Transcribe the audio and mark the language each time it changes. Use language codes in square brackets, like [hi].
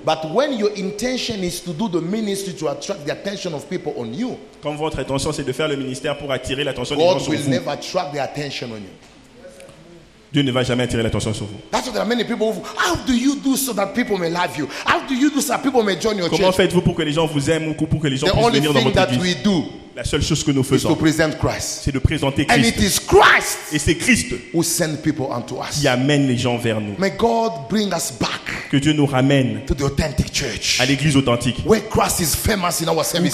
[en] But when your intention is to do the ministry to attract the attention of people on you, [fr] quand votre intention c'est de faire le ministère pour attirer l'attention des gens sur vous, [en] God will never attract the attention on you. [fr] Dieu ne va jamais attirer l'attention sur vous. [en] That's what there are many people who, how do you do so that people may love you? How do you do so that people may join your church? [fr] Comment faites-vous pour que les gens vous aiment ou pour que les gens puissent venir dans votre [en] église? The only thing that we do, [fr] la seule chose que nous faisons, [en] is to present Christ. [fr] C'est de présenter Christ. [en] And it is Christ, [fr] et c'est Christ [en] who send people unto us. [fr] Qui amène les gens vers nous. [en] May God bring us back. [fr] Que Dieu nous ramène [en] to the authentic church. [fr] À l'église authentique. [en] Where Christ is famous in our services.